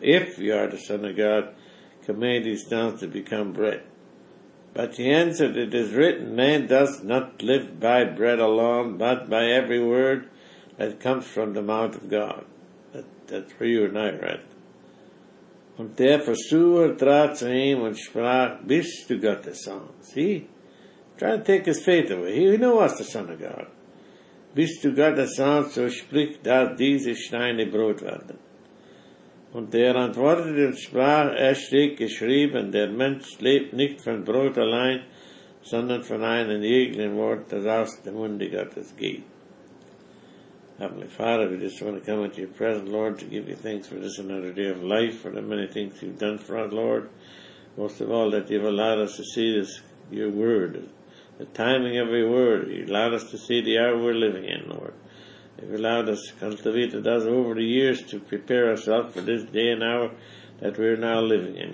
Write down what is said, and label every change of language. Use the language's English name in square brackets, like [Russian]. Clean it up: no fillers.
[English] If you are the Son of God, command these stones to become bread. But he answered, it is written, man does not live by bread alone, but by every word that comes from the mouth of God. That's where you and I are at. [German] Und der Versucher trat zu ihm und sprach, bist du Gottes Sohn? [English] See? Try to take his faith away. He knew was the Son of God. [German] Bist du Gottes Sohn, so sprich, dass diese Steine Brot werden. Und der antwortete und sprach, es steht geschrieben, der Mensch lebt nicht von Brot allein, sondern von einem jeglichen Wort, das aus dem Munde Gottes geht. [English] Heavenly Father, we just want to come into your presence, Lord, to give you thanks for just another day of life, for the many things you've done for us, Lord. Most of all, that you've allowed us to see this, your word, the timing of your word. You allowed us to see the hour we're living in, Lord. You've allowed us, cultivated us over the years, to prepare ourselves for this day and hour that we're now living in.